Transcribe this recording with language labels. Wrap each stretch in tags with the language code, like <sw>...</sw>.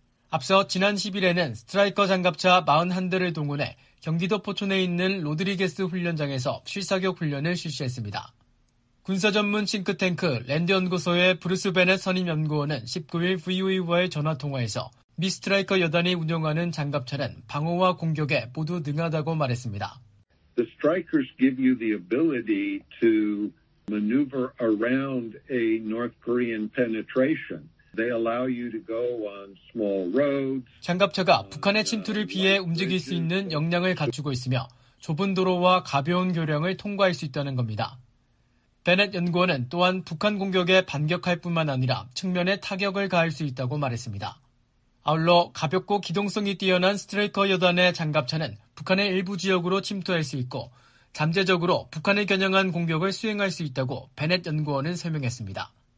<ko>앞서 지난 10일에는 스트라이커 장갑차 41대를 동원해 경기도 포천에 있는 로드리게스 훈련장에서 실사격 훈련을 실시했습니다. 군사전문 싱크탱크 랜드연구소의 브루스 베넷 선임연구원은 19일 VOE와의 전화통화에서 미 스트라이커 여단이 운영하는 장갑차는 방어와 공격에 모두 능하다고 말했습니다.</ko> <en>The strikers give you the ability to maneuver around a North Korean penetration. They allow you to go on small roads.</en> <ko>장갑차가 북한의 침투를 피해 움직일 수 있는 역량을 갖추고 있으며 좁은 도로와 가벼운 교량을 통과할 수 있다는 겁니다. 베넷 연구원은 또한 북한 공격에 반격할 뿐만 아니라 측면에 타격을 가할 수 있다고 말했습니다. 아울러 가볍고 기동성이 뛰어난 스트라이커 여단의 장갑차는 북한의 일부 지역으로 침투할 수 있고 잠재적으로 북한을 겨냥한 공격을 수행할 수 있다고 베넷 연구원은 설명했습니다.</ko>